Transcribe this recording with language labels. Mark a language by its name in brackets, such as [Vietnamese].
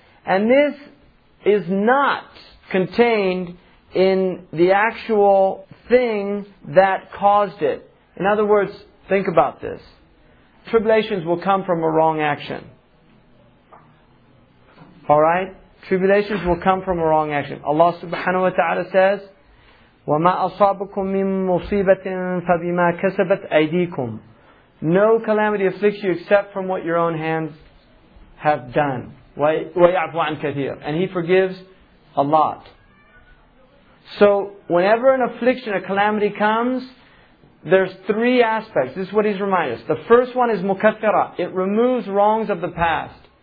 [English] And this is not contained in the actual thing that caused it. In other words, think about this. Tribulations will come from a wrong action. Alright? Tribulations will come from a wrong action. Allah subhanahu wa ta'ala says, [Arabic] وَمَا أَصَابَكُم مِّن مُصِيبَةٍ فَبِمَا كَسَبَتْ أَيْدِيكُمْ. [English] No calamity afflicts you except from what your own hands have done. [Arabic] وَيَعْفُ عَنْ كَثِيرٍ. [English] And He forgives a lot. So, whenever an affliction, a calamity comes, there's three aspects. This is what he's reminded us. The first one is mukaffira. It removes wrongs of the past.